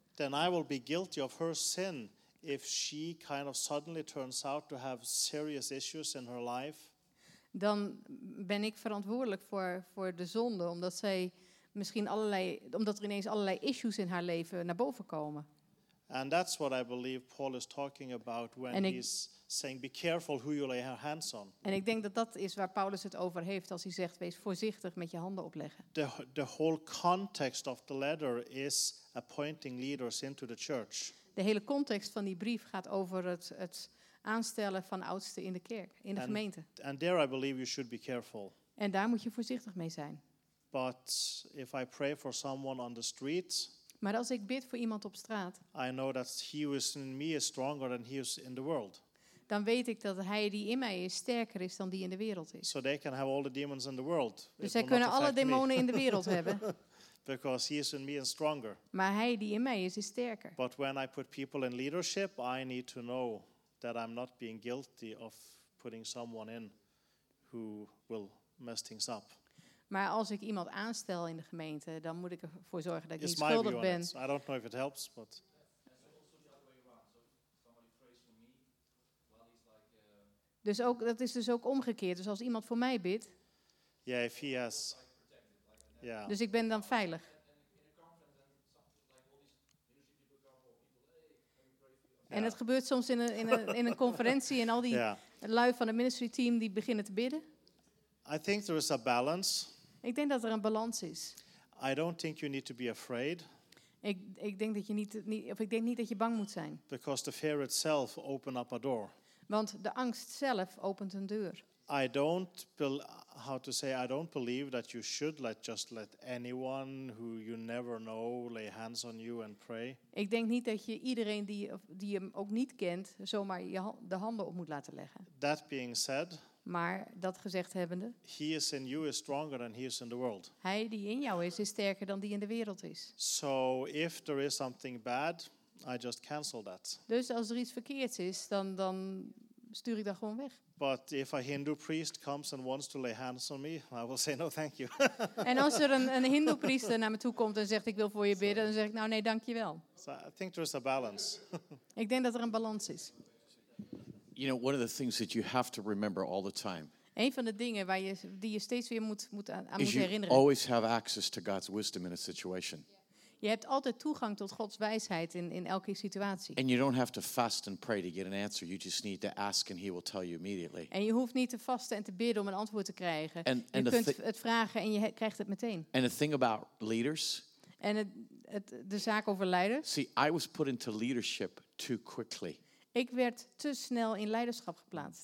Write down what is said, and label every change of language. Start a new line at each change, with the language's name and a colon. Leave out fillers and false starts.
English: then I will be guilty of her sin if she kind of suddenly turns out to have serious issues in her life.
Dutch: Dan ben ik verantwoordelijk voor de zonde omdat er ineens allerlei issues in haar leven naar boven komen.
English: And that's what I believe Paul is talking about when he's saying, be careful who you lay your hands on.
Dutch: En ik denk dat dat is waar Paulus het over heeft als hij zegt, wees voorzichtig met je handen opleggen.
English: The whole context of the letter is appointing leaders into the church.
Dutch: De hele context van die brief gaat over het aanstellen van oudsten in de kerk, in de gemeente.
English: And there I believe you should be careful.
Dutch: En daar moet je voorzichtig mee zijn.
English: But if I pray for someone on the street,
Dutch: maar als ik bid voor iemand op straat,
English: I know that he who is in me is stronger than he who is in the world.
Dutch: Dan weet ik dat hij die in mij is sterker is dan die in de wereld is.
English: So they can have all the demons in the world.
Dutch: Dus zij kunnen alle demonen in de wereld hebben.
English: Because he is in me and stronger.
Dutch: Maar hij die in mij is sterker.
English: But when I put people in leadership, I need to know that I'm not being guilty of putting someone in who will mess things up.
Dutch: Maar als ik iemand aanstel in de gemeente, dan moet ik ervoor zorgen dat ik niet schuldig ben.
English: I don't know if it helps, but.
Dutch: Dus ook dat is dus ook omgekeerd. Dus als iemand voor mij bidt.
English: Yeah, if he has. Yeah.
Dutch: Dus ik ben dan veilig. En het gebeurt soms in een conferentie en al die lui van het
English: ministry team
Dutch: die beginnen te bidden.
English: I think there is a balance.
Dutch: Ik denk dat er een balans is.
English: I don't think you need to be afraid.
Dutch: Ik denk niet dat je bang moet zijn.
English: Because the fear itself opens up a door.
Dutch: Want de angst zelf opent een deur.
English: I don't believe that you should just let anyone who you never know lay hands on you and pray.
Dutch: Ik denk niet dat je iedereen die hem ook niet kent zomaar de handen op moet laten leggen.
English: That being said.
Dutch: Maar dat gezegd hebbende.
English: He is in you is stronger than he is in the world.
Dutch: Hij die in jou is sterker dan die in de wereld is.
English: So if there is something bad, I just cancel that.
Dutch: Dus als er iets verkeerds is, dan stuur ik dat gewoon weg.
English: But if a Hindu priest comes and wants to lay hands on me, I will say no, thank you.
Dutch: En als er een Hindu priester naar me toe komt en zegt ik wil voor je bidden, dan zeg ik nou nee, dank je wel.
English: So I think there is a balance.
Dutch: Ik denk dat er een balans is.
English: You know, one of the things that you have to remember all the time.
Dutch: Een van de dingen waar je die je steeds weer moet herinneren.
English: Always have access to God's wisdom in a situation.
Dutch: Je hebt altijd toegang tot Gods wijsheid in elke situatie.
English: And you don't have to fast and pray to get an answer. You just need to ask, and He will tell you immediately.
Dutch: En je hoeft niet te vasten en te bidden om een antwoord te krijgen. Je kunt het vragen en je krijgt het meteen.
English: And the thing about leaders.
Dutch: En de zaak over leiders.
English: See, I was put into leadership too quickly.
Dutch: Ik werd te snel in leiderschap geplaatst.